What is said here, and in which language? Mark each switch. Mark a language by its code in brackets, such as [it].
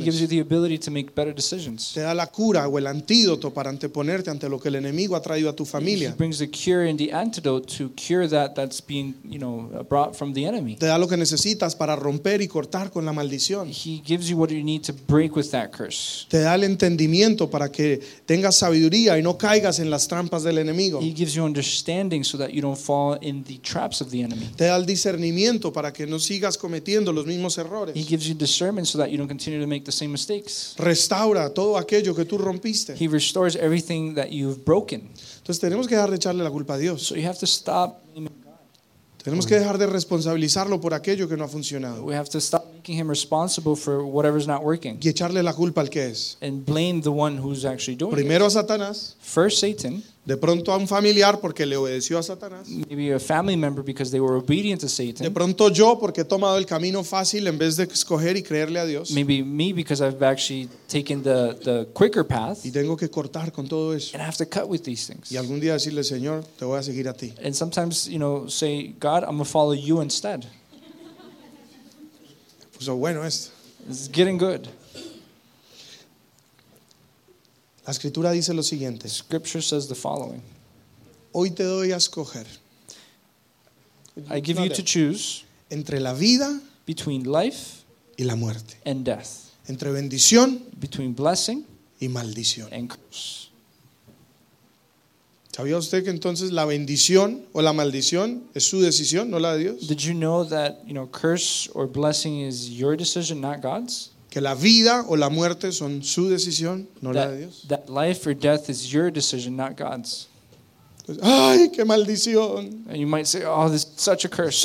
[en] He gives you the ability to make better decisions. [es] Te da la cura o el antídoto para anteponerte ante lo que el enemigo ha traído a tu familia. [en] He brings the cure and the antidote to cure that's being, you know, brought from the enemy. [es] Te da lo que necesitas para romper y cortar con la maldición. [en] He gives you what you need to break with that curse. [es] Te da el entendimiento para que tengas sabiduría y no caigas en las trampas del enemigo. [en] He gives you understanding so that you don't fall in the traps of the enemy. [es] Te da el discernimiento para que no sigas cometiendo los mismos errores. [en] He gives you discernment so that you don't continue to make the same mistakes. [es] Restaura todo aquello que tú rompiste. [en] He restores everything that you've broken. [es] Entonces tenemos que dejar de echarle la culpa a Dios. [en] So you have to stop blaming God. [es] Tenemos que dejar de responsabilizarlo por aquello que no ha funcionado. [en] We have to stop making him responsible for whatever's not working. [es] Y echarle la culpa al que es. [en] And blame the one who's actually doing [es] Primero [en] it. [es] A Satanás. [en] First Satan. [es] De pronto a un familiar porque le obedeció a Satanás. [en] Maybe a family member because they were obedient to Satan. [es] De pronto yo porque he tomado el camino fácil en vez de escoger y creerle a Dios. [en] Maybe me because I've actually taken the quicker path. [es] Y tengo que cortar con todo eso. [en] And I have to cut with these things. [es] Y algún día decirle, Señor, te voy a seguir a ti. [en] And sometimes, you know, say, God, I'm going to follow you instead. [es] So bueno esto. [en] It's getting good. [es] La escritura dice lo siguiente. [en] Scripture says the following. [es] Hoy te doy a escoger. [en] I give you to choose. [es] Entre la vida. [en] Between life. [es] Y la muerte. [en] And death. [es] Entre bendición. [en] Between blessing. [es] Y maldición. [en] And curse. [es] ¿Sabía usted que entonces la bendición o la maldición es su decisión, no la de Dios? [en] Did you know that, you know, curse or blessing is your decision, not God's? [es] Que la vida o la muerte son su decisión, no [en] that, [es] la de Dios. [en] That life or death is your decision, not God's. [es] Entonces, ay, qué maldición. [en] And you might say, oh, this is such a curse.